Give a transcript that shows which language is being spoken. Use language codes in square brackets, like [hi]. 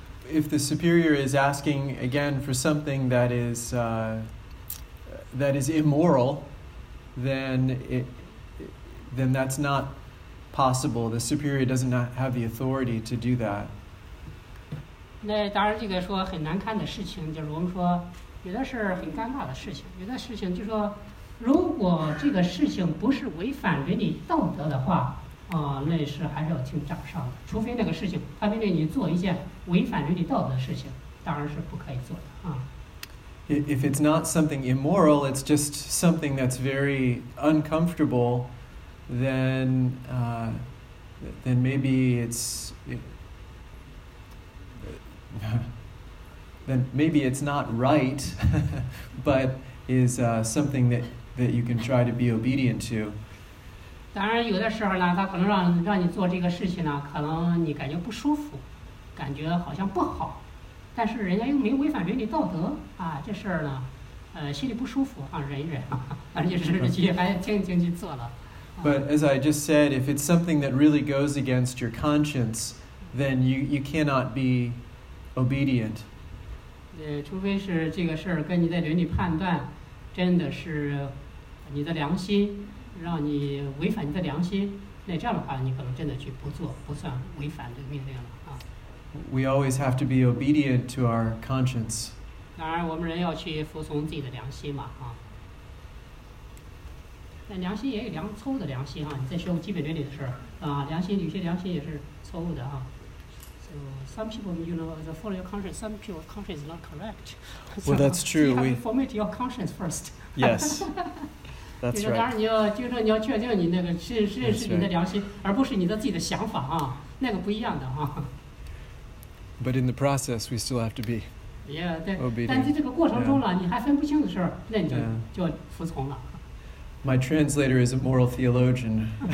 [en] If the superior is asking again for something that is immoral, then that's not possible. The superior does not have the authority to do that. [zh] 那当然，这个说很难堪的事情，就是我们说有的是很尴尬的事情，有的事情就是说，如果这个事情不是违反伦理道德的话，那是还是要听掌上的。除非那个事情他命令你做一件违反伦理道德的事情，当然是不可以做的啊。 [en] If it's not something immoral, it's just something that's very uncomfortable, then maybe it's not right, but is something that you can try to be obedient to. [zh] 当然，有的时候呢，他可能让你做这个事情呢，可能你感觉不舒服，感觉好像不好，但是人家又没违反伦理道德啊，这事儿呢，心里不舒服啊，忍一忍，而且是自己还听去做了。 [en] But as I just said, if it's something that really goes against your conscience, then you cannot be obedient. [zh] 除非是这个事儿跟你的伦理判断，真的是你的良心，让你违反你的良心，那这样的话，你可能真的去不做，不算违反这个命令了啊。 [en] We always have to be obedient to our conscience. [zh] 当然，我们人要去服从自己的良心嘛啊。那良心也有良错误的良心啊！你在学基本伦理的时候啊，良心有些良心也是错误的啊。 [en] So some people, you know, the follow your conscience. Some people's conscience is not correct. Well, that's true. So you have to formulate your conscience first. Yes, that's right. [zh] 就是当然你要纠正，你要确定你那个是你的良心，而不是你的自己的想法啊，那个不一样的啊。 [en] But in the process, we still have to be obedient. [zh] 但在这个过程中了，你还分不清的时候，那你就要服从了。 [en] My translator is a moral theologian.